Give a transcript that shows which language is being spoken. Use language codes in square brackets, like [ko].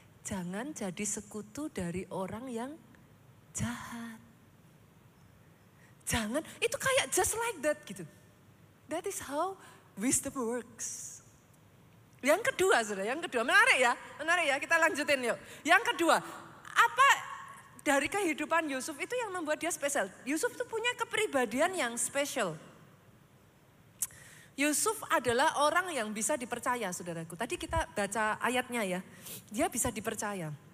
[id] Jangan jadi sekutu dari orang yang jahat. Jangan, itu kayak [en] just like that [id] gitu. [en] That is how wisdom works. [id] Yang kedua saudara, yang kedua. Menarik ya, kita lanjutin yuk. Yang kedua, apa dari kehidupan Yusuf itu yang membuat dia spesial. Yusuf itu punya kepribadian yang spesial. Yusuf adalah orang yang bisa dipercaya, saudaraku. Tadi kita baca ayatnya ya. Dia bisa dipercaya.